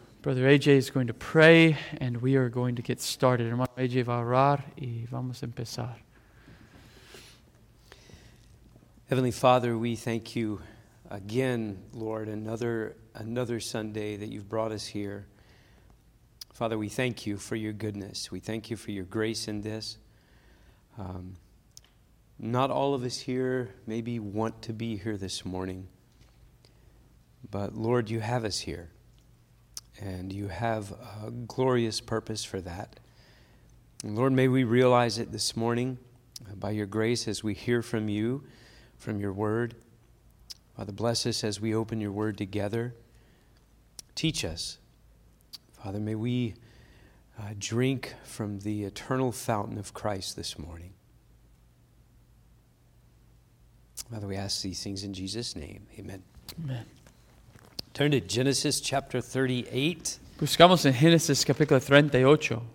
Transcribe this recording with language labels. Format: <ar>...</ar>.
<en>Brother AJ is going to pray and we are going to get started.</en> <es>Hermano AJ va a orar y vamos a empezar.</es> <en>Heavenly Father, we thank you again, Lord, another Sunday that you've brought us here. Father, we thank you for your goodness. We thank you for your grace in this. Not all of us here maybe want to be here this morning, but Lord, you have us here. And you have a glorious purpose for that. Lord, may we realize it this morning by your grace as we hear from you, from your word. Father, bless us as we open your word together. Teach us. Father, may we drink from the eternal fountain of Christ this morning. Father, we ask these things in Jesus' name. Amen. Amen. Turn to Genesis chapter 38.</en> <es>Buscamos en Génesis capítulo 38.</es>